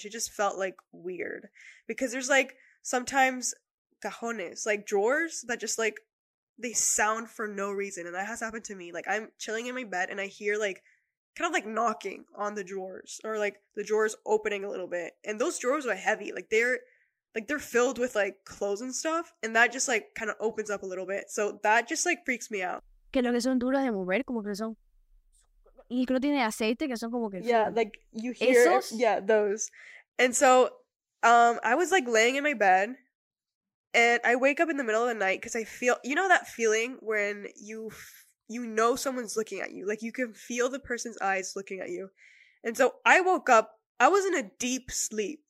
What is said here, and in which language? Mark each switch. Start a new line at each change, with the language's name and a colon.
English: She just felt like weird. Because there's like sometimes cajones, like drawers that just like, they sound for no reason. And that has happened to me. Like I'm chilling in my bed and I hear like, kind of like knocking on the drawers or like the drawers opening a little bit. And those drawers are heavy. Like they're filled with like clothes and stuff. And that just like kind of opens up a little bit. So that just like freaks me out.
Spanish: Que lo que son duras de mover, como que son. Y creo tiene aceite, que son como que...
English: Yeah, like, you hear...
Spanish: ¿Esos?
English: Yeah, those. And so, I was, like, laying in my bed, and I wake up in the middle of the night, because I feel... You know that feeling when you know someone's looking at you? Like, you can feel the person's eyes looking at you. And so, I woke up, I was in a deep sleep.